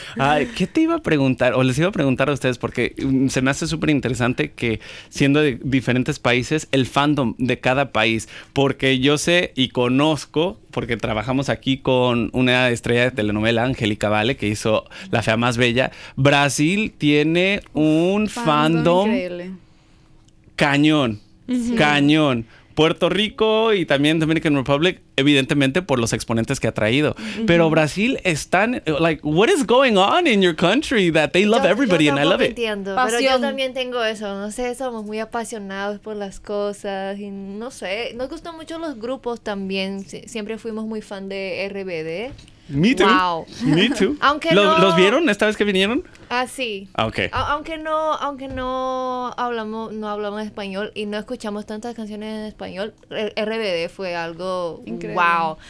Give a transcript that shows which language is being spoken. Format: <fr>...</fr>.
<es>Ay, ¿qué te iba a preguntar? O les iba a preguntar a ustedes porque se me hace súper interesante que siendo de diferentes países, el fandom de cada país, porque yo sé y conozco porque trabajamos aquí con una estrella de telenovela, Angélica Vale, que hizo La Fea Más Bella. Brasil tiene un fandom increíble. Cañón. Sí. Cañón. Puerto Rico y también Dominican Republic, evidentemente por los exponentes que ha traído. Uh-huh. Pero Brasil están,</es> <en>like, what is going on in your country that they love everybody and I love</en> <es>entiendo,</es> <en>it?</en> <es>Pasión. Pero yo también tengo eso, no sé, somos muy apasionados por las cosas y no sé, nos gustan mucho los grupos también, siempre fuimos muy fan de RBD.</es> <en>Me too. Wow. Me too.</en> <es>Aunque ¿Los vieron esta vez que vinieron? Ah, sí. Okay. Aunque no hablamos español y no escuchamos tantas canciones en español, RBD fue algo increíble. Wow.</es>